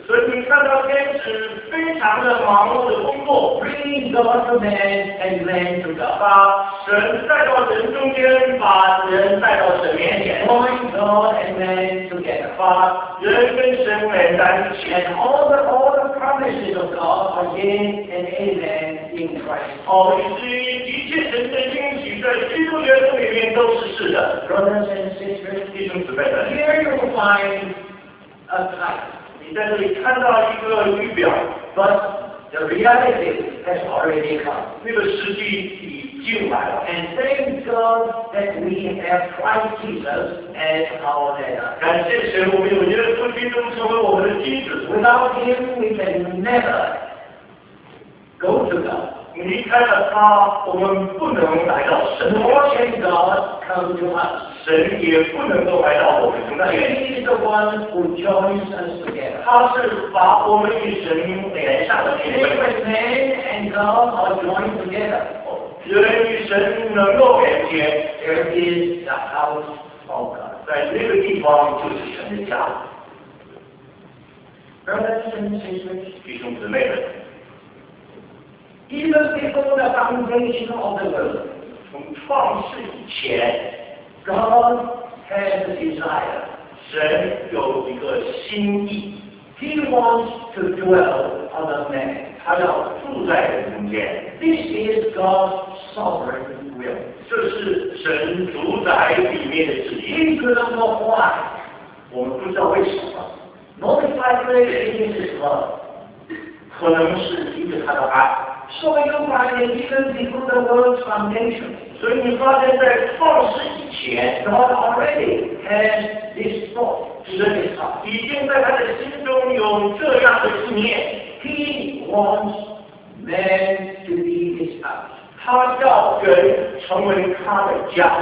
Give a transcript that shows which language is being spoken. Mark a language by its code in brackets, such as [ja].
[en] bringing God to man and man to God. [zh] 把神带到人中间, 把人带到神面前, [en] drawing God and man together. [zh] 把人跟神连在一起, [en] and all the promises of God are yea and amen in Christ. [zh] 以至于一切神的应许在基督耶稣里面都是是的。 [en] Brothers and sisters, here you will find a type. [zh] 你在这里看到一个预表, [en] but the reality has already come. [zh] 那个时机已经来了, [en] and thank God that we have Christ Jesus as our leader. Without Him, we can never go to God. [zh] 离开了他, 我们不能来到神, [en] nor can God come to us. [zh] 神也不能够来到我们中间, [en] He is the one who joins us together. [zh] 他是把我们与神连上的。 [en] If man and God are joined together, [zh] 人与神能够连接, [en] there is the house of God. [zh] 在那个地方就是神的家。 [en] Brothers and sisters, [zh] 弟兄姊妹们, [en] even before the foundation of the world, [zh] 从创世以前, [en] God has a desire. [zh] 神有一个心意, [en] He wants to dwell on a man. [zh] 他要住在人间, [en] this is God's sovereign will. [zh] 这是神主宰里面的旨意. [en] He doesn't know why. [zh] 我们不知道为什么, [en] not likely it is love. [zh] 可能是因为他的爱。 [en] So you find it even before the world's foundation. [zh] 所以你发现在创世以前, [en] God already has this thought. [zh] 神已经在他的心中有这样的信念. [en] He wants man to be his house. [zh] 他要人成为他的家.